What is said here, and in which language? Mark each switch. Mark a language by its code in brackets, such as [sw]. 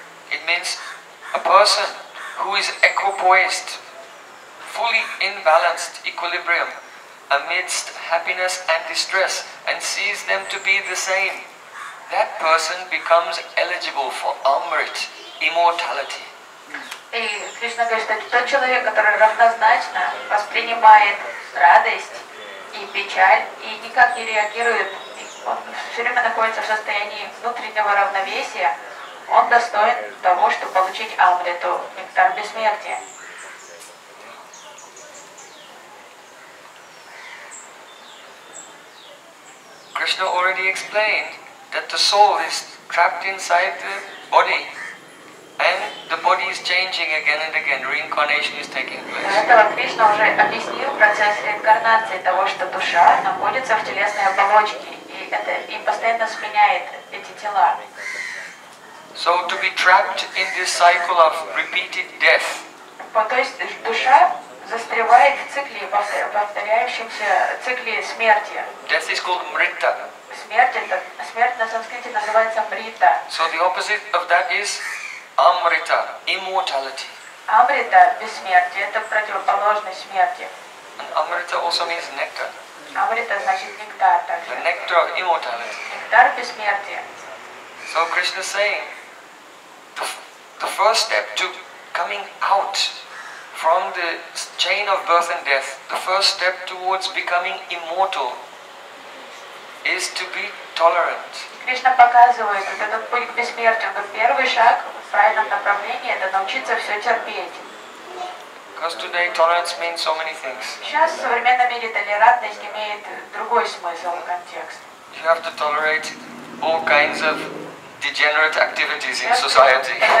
[en] It means a person who is equipoised, fully in balanced equilibrium, amidst happiness and distress, and sees them to be the same. that person becomes eligible for amrit, immortality. [ru] И Кришна говорит, что тот человек, который равнозначно воспринимает радость и печаль, и никак не реагирует, он все время находится в состоянии внутреннего равновесия, он достоин того, чтобы получить амриту, нектар бессмертия. [en] Krishna already explained that the soul is trapped inside the body and the body is changing again and again. Reincarnation is taking place. [ru] Это Кришна уже объяснил процесс реинкарнации того, что душа находится в телесной оболочке и постоянно сменяет эти тела. [en] So to be trapped in this cycle of repeated death. [ru] То есть душа застревает в цикле, повторяющемся цикле смерти. [en] Death is called mritta. [ru] Смерть на санскрите называется мрита. [en] So the opposite of that is amrita, immortality. [ru] Амрита, бессмертие, это противоположность смерти. [en] And amrita also means nectar. [ru] Амрита значит нектар также. [en] The nectar of immortality. [ru] Нектар бессмертия. [en] So Krishna is saying, the first step to coming out from the chain of birth and death, the first step towards becoming immortal is to be tolerant. [ru] Кришна показывает, что этот путь к бессмертию, это первый шаг в правильном направлении, это научиться все терпеть. [en] Because today tolerance means so many things. [ru] Сейчас в современном мире толерантность имеет другой смысл, контекст. [en] You have to tolerate all kinds of degenerate activities in society.